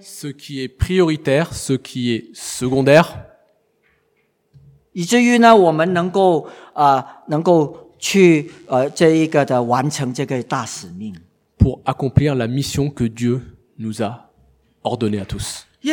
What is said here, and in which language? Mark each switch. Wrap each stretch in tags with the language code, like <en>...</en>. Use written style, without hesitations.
<fr>Ce qui est prioritaire, ce qui est secondaire.</fr> <zh>以至于呢，我们能够去完成这个大使命。</zh> <fr>Pour accomplir la mission que Dieu nous a ordonnée à tous.</fr>